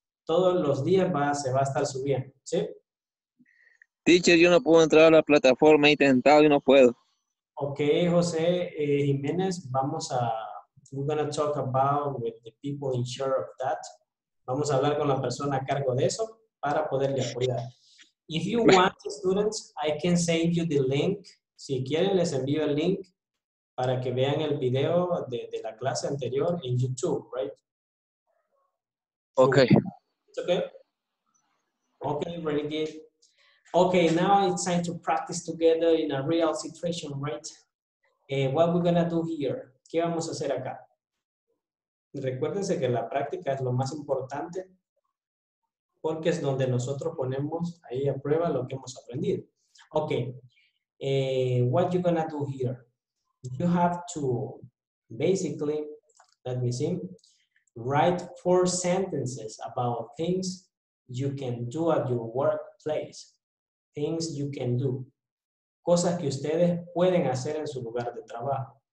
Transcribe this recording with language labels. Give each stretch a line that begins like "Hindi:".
Spanish: Todos los días se va a estar subiendo, ¿sí? Teacher, yo no puedo entrar a la plataforma, he intentado y no puedo.
English: Ok, José Jiménez, we're going to talk about with the people in charge of that.
Spanish: Vamos a hablar con la persona a cargo de eso para poderle apoyar.
English: If you want, students, I can send you the link.
Spanish: Si quieren, les envío el link para que vean el video de la clase anterior en YouTube,
English: right? Ok. Okay. Okay, really good. Okay, now it's time to practice together in a real situation, right? What we're gonna do here?
Spanish: ¿Qué vamos a hacer acá? Recuérdense que la práctica es lo más importante porque es donde nosotros ponemos ahí a prueba lo que hemos aprendido.
English: Okay. What you gonna do here? You have to basically, let me see, write 4 sentences about things you can do at your workplace. Things you can do.
Spanish: Cosas que ustedes pueden hacer en su lugar de trabajo.